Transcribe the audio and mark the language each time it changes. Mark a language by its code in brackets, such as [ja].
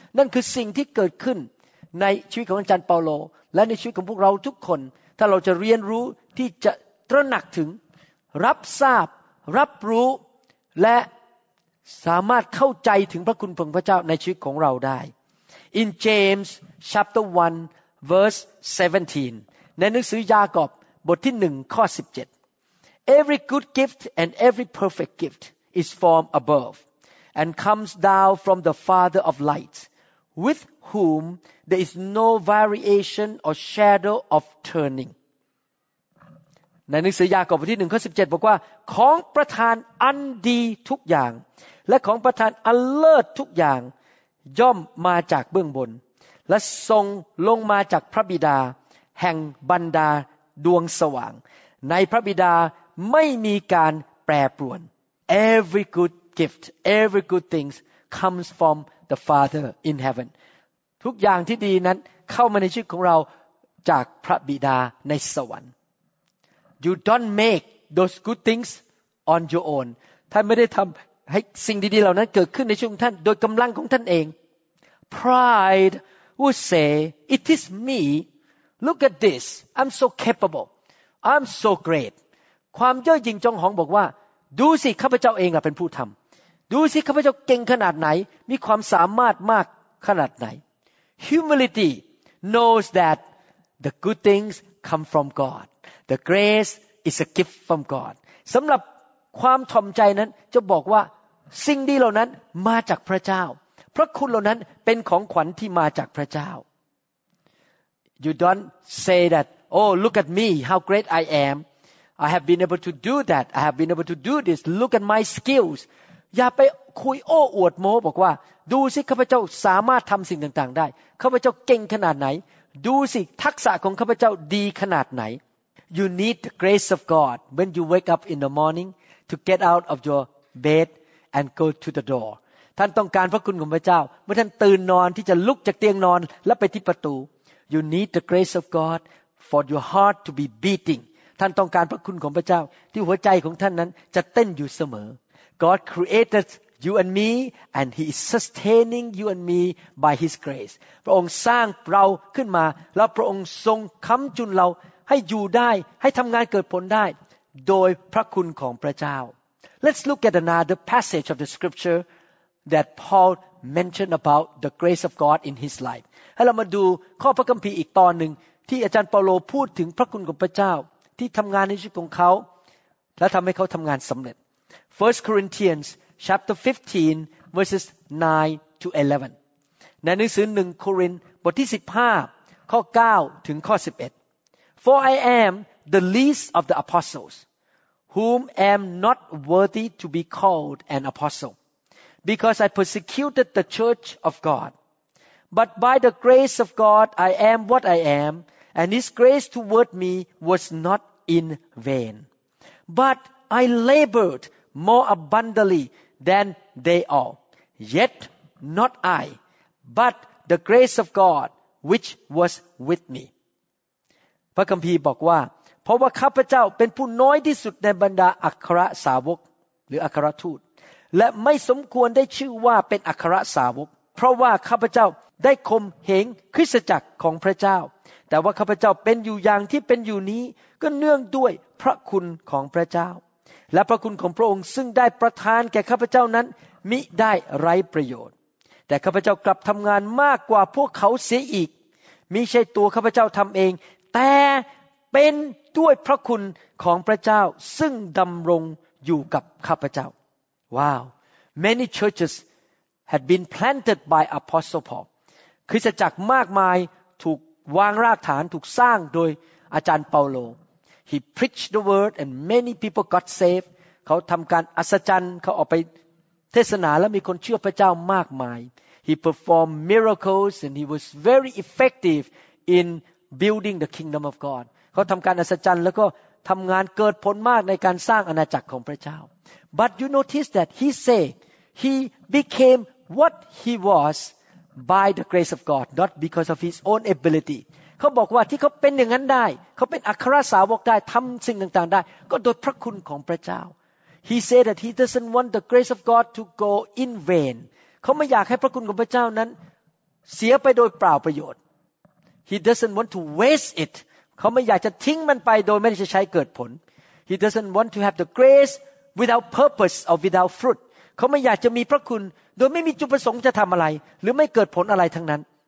[th] นั่นคือสิ่งที่เกิดขึ้นในชีวิตของอาจารย์เปาโลและในชีวิตของพวกเราทุกคนถ้าเราจะเรียนรู้ที่จะตระหนักถึงรับทราบรับรู้และสามารถเข้าใจถึงพระคุณของพระเจ้าในชีวิตของเราได้ [en] In James chapter 1 verse 17 [th] ในหนังสือยากอบบทที่1ข้อ17 [en] Every good gift and every perfect gift is from above and comes down from the Father of lights, with whom there is no variation or shadow of turning. [th] ในหนังสือยากอบบทที่1ข้อ17บอกว่าของประทานอันดีทุกอย่างและของประทานอันเลิศทุกอย่างย่อมมาจากเบื้องบนและทรงลงมาจากพระบิดาแห่งบรรดาดวงสว่างในพระบิดาไม่มีการแปรปรวน [en] Every good gift, every good things comes from the Father in heaven. [th] ทุกอย่างที่ดีนั้นเข้ามาในชีวิตของเราจากพระบิดาในสวรรค์ [en] You don't make those good things on your own. [th] ท่านไม่ได้ทำให้สิ่งดีๆเหล่านั้นเกิดขึ้นในชีวิตของท่านโดยกำลังของท่านเอง [en] Pride would say, "It is me. Look at this. I'm so capable. I'm so great." [th] ความเย่อหยิ่งจองหองบอกว่าดูสิข้าพเจ้าเองอะเป็นผู้ทำดูสิข้าพเจ้าเก่งขนาดไหนมีความสามารถมากขนาดไหน [en] Humility knows that the good things come from God. The grace is a gift from God. [th] สำหรับความถ่อมใจนั้นจะบอกว่าสิ่งดีเหล่านั้นมาจากพระเจ้าพระคุณเหล่านั้นเป็นของขวัญที่มาจากพระเจ้า [en] You don't say that, oh, look at me, how great I am. I have been able to do that. I have been able to do this. Look at my skills. [th] อย่าไปคุยโอ้อวดโม้บอกว่าดูสิข้าพเจ้าสามารถทำสิ่งต่างๆได้ข้าพเจ้าเก่งขนาดไหนดูสิทักษะของข้าพเจ้าดีขนาดไหน [en] You need the grace of God when you wake up in the morning to get out of your bed and go to the door [th] ท่านต้องการพระคุณของพระเจ้าเมื่อท่านตื่นนอนที่จะลุกจากเตียงนอนและไปที่ประตู [en] You need the grace of God for your heart to be beating [th] ท่านต้องการพระคุณของพระเจ้าที่หัวใจของท่านนั้นจะเต้นอยู่เสมอ [en] God created you and me, and He is sustaining you and me by His grace. [th] พระองค์สร้างเราขึ้นมาแล้วพระองค์ทรงค้ำจุนเราให้อยู่ได้ให้ทำงานเกิดผลได้โดยพระคุณของพระเจ้า [en] Let's look at another passage of the scripture that Paul mentioned about the grace of God in his life. [th] ให้เรามาดูข้อพระคัมภีร์อีกตอนหนึ่งที่อาจารย์เปาโลพูดถึงพระคุณของพระเจ้าที่ทำงานในชีวิตของเขาและทำให้เขาทำงานสำเร็จ [en] 1 Corinthians chapter 15 verses 9 to 11. [th] ในหนังสือ1 โครินธ์บทที่15ข้อ9ถึงข้อ11. [en] For I am the least of the apostles, whom am not worthy to be called an apostle, because I persecuted the church of God. But by the grace of God I am what I am, and His grace toward me was not in vain. But I labored more abundantly than they all. Yet not I, but the grace of God which was with me. [th] พระคัมภีร์บอกว่าเพราะว่าข้าพเจ้าเป็นผู้น้อยที่สุดในบรรดาอัครสาวกหรืออัครทูตและไม่สมควรได้ชื่อว่าเป็นอัครสาวกเพราะว่าข้าพเจ้าได้ข่มเหงคริสตจักรของพระเจ้าแต่ว่าข้าพเจ้าเป็นอยู่อย่างที่เป็นอยู่นี้ก็เนื่องด้วยพระคุณของพระเจ้า และพระคุณของพระองค์ซึ่งได้ประทานแก่ข้าพเจ้านั้นมิได้ไร้ประโยชน์แต่ข้าพเจ้ากลับทำงานมากกว่าพวกเขาเสียอีกมิใช่ตัวข้าพเจ้าทำเองแต่เป็นด้วยพระคุณของพระเจ้าซึ่งดำรงอยู่กับข้าพเจ้า [en] ว้าว many churches had been planted by apostle Paul [th] คริสตจักรมากมายถูกวางรากฐานถูกสร้างโดยอาจารย์เปาโล [en] He preached the word and many people got saved. [th] เขาทำการอัศจรรย์เขาออกไปเทศนาและมีคนเชื่อพระเจ้ามากมาย [en] He performed miracles and he was very effective in building the kingdom of God. [th] เขาทำการอัศจรรย์แล้วก็ทำงานเกิดผลมากในการสร้างอาณาจักรของพระเจ้า [en] But you notice that he said he became what he was by the grace of God, not because of his own ability. [th] เขาบอกว่าที่เขาเป็นอย่างนั้นได้เขาเป็นอัครสาวกได้ทำสิ่งต่างๆได้ก็โดยพระคุณของพระเจ้า [en] He said that he doesn't want the grace of God to go in vain [th] เขาไม่อยากให้พระคุณของพระเจ้านั้นเสียไปโดยเปล่าประโยชน์ [en] He doesn't want to waste it [th] เขาไม่อยากจะทิ้งมันไปโดยไม่ได้ใช้เกิดผล [en] He doesn't want to have the grace without purpose or without fruit [th] เขาไม่อยากจะมีพระคุณโดยไม่มีจุดประสงค์จะทำอะไรหรือไม่เกิดผลอะไรทั้งนั้น